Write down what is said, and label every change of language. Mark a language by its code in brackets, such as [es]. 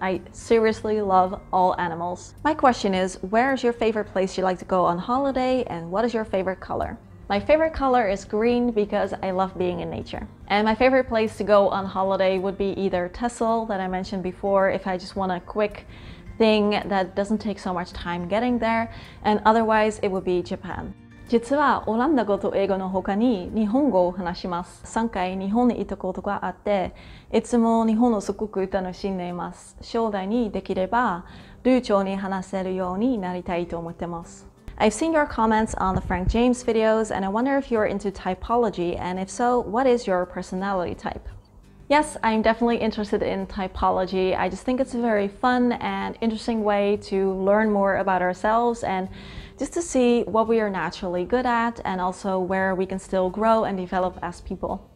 [en] I seriously love all animals. My question is, where is your favorite place you like to go on holiday, and what is your favorite color? My favorite color is green because I love being in nature. And my favorite place to go on holiday would be either Texel that I mentioned before, if I just want a quick thing that doesn't take so much time getting there, and otherwise it would be Japan. [ja] 実はオランダ語と英語の他に日本語を話します。 3回日本に行ったことがあって、いつも日本をすごく楽しんでいます。将来にできれば流暢に話せるようになりたいと思ってます。 [en] I've seen your comments on the Frank James videos, and I wonder if you're into typology, and if so, what is your personality type? Yes, I'm definitely interested in typology. I just think it's a very fun and interesting way to learn more about ourselves and just to see what we are naturally good at and also where we can still grow and develop as people.